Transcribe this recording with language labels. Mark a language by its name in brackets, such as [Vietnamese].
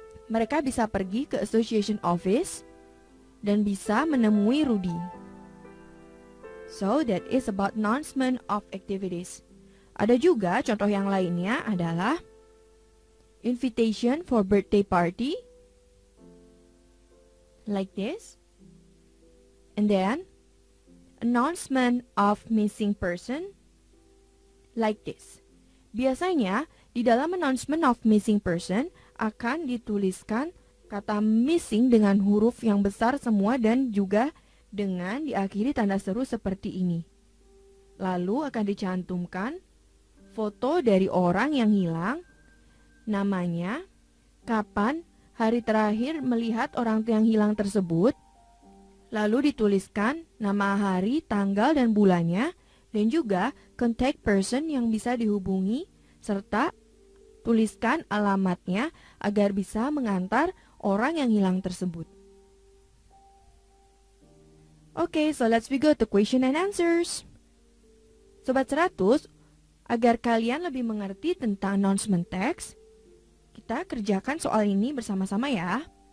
[Indonesian] Mereka bisa pergi ke Association Office dan bisa menemui Rudy. [English] So, that is about announcement of activities. [Indonesian] Ada juga contoh yang lainnya adalah [English] invitation for birthday party, like this. And then, announcement of missing person, like this. [Indonesian] Biasanya, di dalam announcement of missing person, akan dituliskan kata missing dengan huruf yang besar semua dan juga dengan diakhiri tanda seru seperti ini. Lalu akan dicantumkan foto dari orang yang hilang, namanya, kapan, hari terakhir melihat orang yang hilang tersebut. Lalu dituliskan nama hari, tanggal, dan bulannya, dan juga contact person yang bisa dihubungi, serta tuliskan alamatnya agar bisa mengantar orang yang hilang tersebut. [English] Okay, so let's we go to question and answers. [Indonesian] Sobat 100, agar kalian lebih mengerti tentang announcement text, kita kerjakan soal ini bersama-sama ya.